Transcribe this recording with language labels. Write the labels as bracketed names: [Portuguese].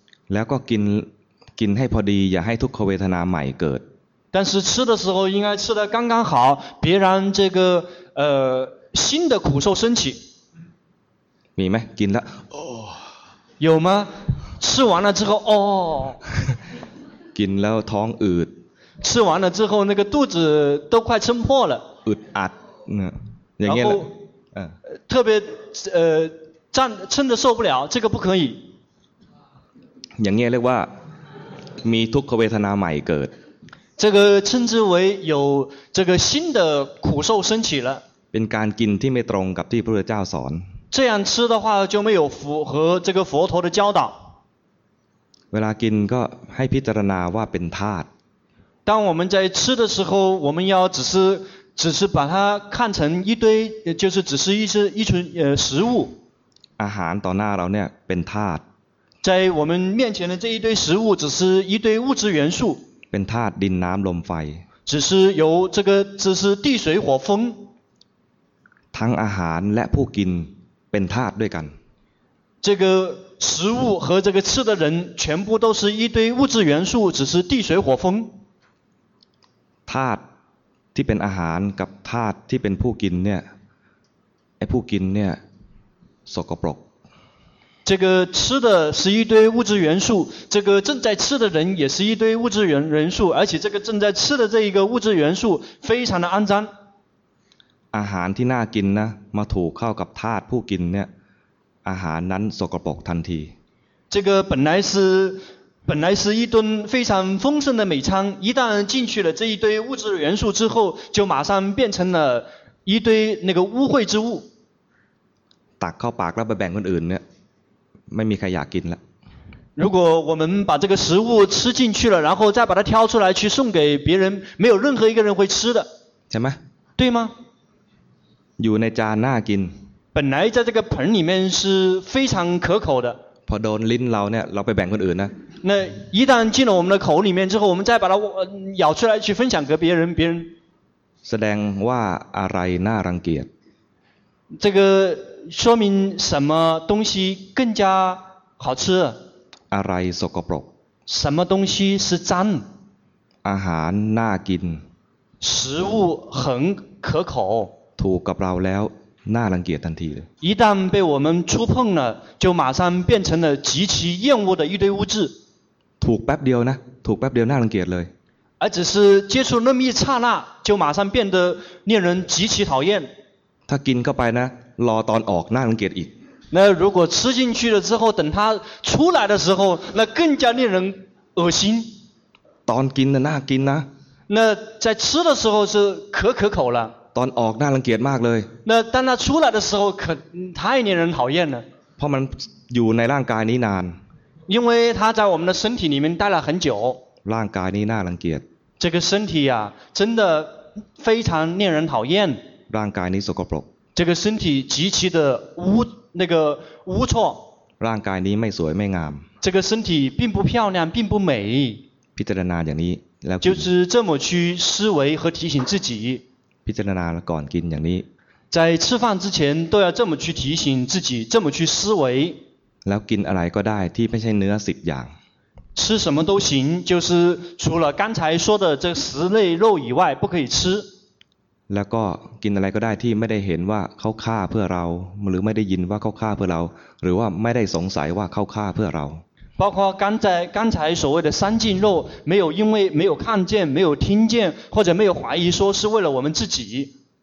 [Thai] แล้วก็กินกินให้พอดีอย่าให้ทุกขเวทนาใหม่เกิด。 [Chinese] 但是吃的时候应该吃得刚刚好，别让这个新的苦受升起。 [Thai] มีไหมกินแล้ว？ 哦。 [Chinese] 有吗？吃完了之后哦。 [Thai] กินแล้วท้องอืด。 [Chinese] 吃完了之后那个肚子都快撑破了。 [Thai] อึดอัด。 [Chinese] 然后特别站撑得受不了，这个不可以。 [Thai] อย่างเงี้ยเรียกว่ามีทุกขเวทนาใหม่เกิด。 [Chinese] 这个称之为有这个新的苦受升起了。 [Thai] เป็นการกินที่ไม่ตรงกับที่พระพุทธเจ้าสอน。 [Chinese] 这样吃的话就没有符合这个佛陀的教导。 [Thai] เวลากินก็ให้พิจารณาว่าเป็นธาตุ。 [Chinese] 当我们在吃的时候，我们要只是把它看成一堆，就是只是一群食物。 [Thai] อาหารต่อหน้าเราเนี่ยเป็นธาตุ。 [Chinese] 在我们面前的这一堆食物只是一堆物质元素。 [Thai] เป็นธาตุดินน้ำลมไฟ。 [Chinese] 只是由这个只是地水火风。 [Thai] ทั้งอาหารและผู้กินเป็นธาตุด้วยกัน [Chinese] 这个食物和这个吃的人全部都是一堆物质元素只是地水火风 [Thai] ธาตุที่เป็นอาหารกับธาตุที่เป็นผู้กินเนี่ยไอ้ผู้กินเนี่ยสกปรก [Chinese] 这个吃的是一堆物质元素这个正在吃的人也是一堆物质元素而且这个正在吃的这一个物质元素非常的肮脏 [Thai] อาหารที่น่ากินนะมาถูกเข้ากับธาตุผู้กินเนี่ยอาหารนั้นสกปรกทันที [Chinese] 这个本来是一顿非常丰盛的美餐一旦进去了这一堆物质元素之后就马上变成了一堆那个污秽之物 [Thai] ตักเข้าปากแล้วไปแบ่งคนอื่นเนี่ยไม่มีใครอยากกินละ [Chinese] 如果我们把这个食物吃进去了然后再把它挑出来去送给别人没有任何一个人会吃的 [Thai] ใช่ไหม [Chinese] 对吗 [Thai] อยู่ในจานน่ากิน [Chinese] 本来在这个盆里面是非常可口的 [Thai] พอโดนลิ้นเราเนี่ยเราไปแบ่งคนอื่นนะ [Chinese] 那一旦进了我们的口里面之后我们再把它咬出来去分享给别人 [Thai] แสดงว่าอะไรน่ารังเกียจ [Chinese] 这个说明什么东西更加好吃 [Thai] อะไรสกปรก [Chinese] 什么东西是脏 [Thai] อาหารน่ากิน [Chinese] 食物很可口 [Thai] ถูกกับเราแล้วน่ารังเกียจทันทีเลย [Chinese] 一旦被我们触碰了就马上变成了极其厌恶的一堆物质 [Thai] ถูกแป๊บเดียวนะถูกแป๊บเดียวน่ารังเกียจเลย [Chinese] 而只是接触那么一刹那就马上变得令人极其讨厌 [Thai] ถ้ากินเข้าไปนะรอตอนออกน่ารังเกียจอีก [Chinese] 那如果吃进去了之后等它出来的时候那更加令人恶心 [Thai] ตอนกินน่ากินนะ [Chinese] 那在吃的时候是可口了 [Thai] ตอนออกน่ารังเกียจมากเลย [Chinese] 那当它出来的时候可太令人讨厌了 [Thai] เพราะมันอยู่ในร่างกายนี้นาน [Chinese] 因为它在我们的身体里面待了很久 [Thai] ร่างกายนี้น่ารังเกียจ [Chinese] 这个身体啊真的非常令人讨厌 [Thai] ร่างกายนี้สกปรก [Chinese] 这个身体极其的污臭 [Thai] ร่างกายนี้ไม่สวยไม่งาม [Chinese] 这个身体并不漂亮并不美 [Thai] พิจารณาอย่างนี้แล้ว [Chinese] 就是这么去思维和提醒自己 [Thai] พิจารณาก่อนกินอย่างนี้ [Chinese] 在吃饭之前都要这么去提醒自己这么去思维 [Thai] แล้วกินอะไรก็ได้ที่ไม่ใช่เนื้อสิบอย่าง [Chinese] 吃什么都行就是除了刚才说的这十类肉以外不可以吃 [Thai] แล้วก็กินอะไรก็ได้ที่ไม่ได้เห็นว่าเขาฆ่าเพื่อเราหรือไม่ได้ยินว่าเขาฆ่าเพื่อเราหรือว่าไม่ได้สงสัยว่าเขาฆ่าเพื่อเรา [Chinese] 包括刚才所谓的三净肉，没有因为没有看见、没有听见，或者没有怀疑，说是为了我们自己。